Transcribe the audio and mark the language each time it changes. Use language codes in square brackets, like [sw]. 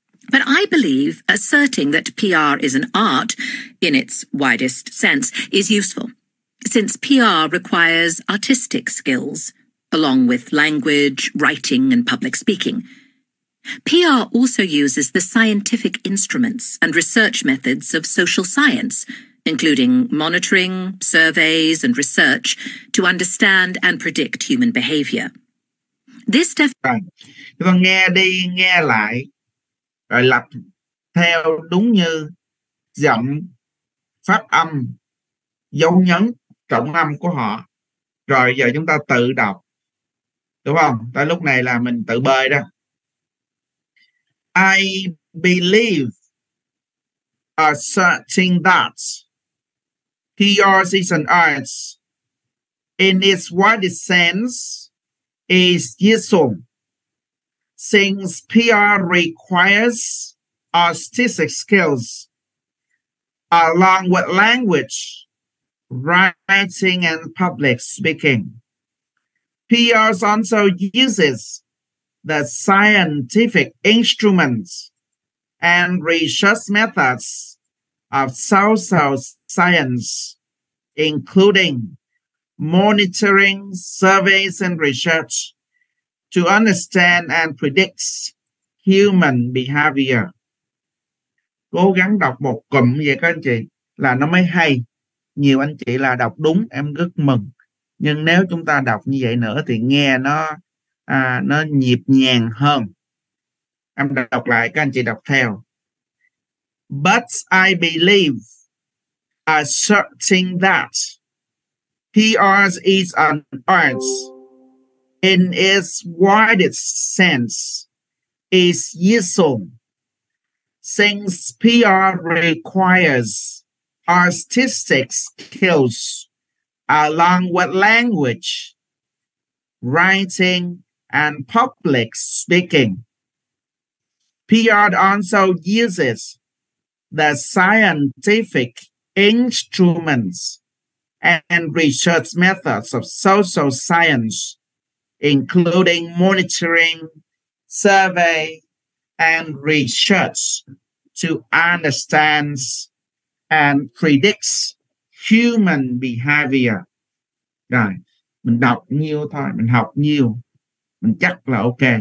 [en] But I believe asserting that PR is an art, in its widest sense, is useful, since PR requires artistic skills, along with language, writing, and public speaking. PR also uses the scientific instruments and research methods of social science, including monitoring, surveys, and research, to understand and predict human behavior. This [vi] Chúng ta nghe đi, nghe lại, rồi lặp theo đúng như giọng, phát âm, dấu nhấn, trọng âm của họ. Rồi giờ chúng ta tự đọc, đúng không? Tại lúc này là mình tự bơi đó. [en] I believe asserting that PR season arts in its widest sense is useful since PR requires artistic skills along with language, writing, and public speaking. PR also uses the scientific instruments and research methods of social science, including monitoring, surveys, and research to understand and predict human behavior. [vi] Cố gắng đọc một cụm vậy các anh chị là nó mới hay. Nhiều anh chị là đọc đúng, em rất mừng. Nhưng nếu chúng ta đọc như vậy nữa thì nghe nó nhịp nhàng hơn. Em đọc lại, các anh chị đọc theo. [en] But I believe, asserting that PR is an art in its widest sense, is useful, since PR requires artistic skills along with language, writing, and public speaking. PR also uses the scientific instruments and research methods of social science, including monitoring, survey, and research to understand and predict human behavior. [vi] Rồi, mình đọc nhiều thôi, mình học nhiều, mình chắc là ok.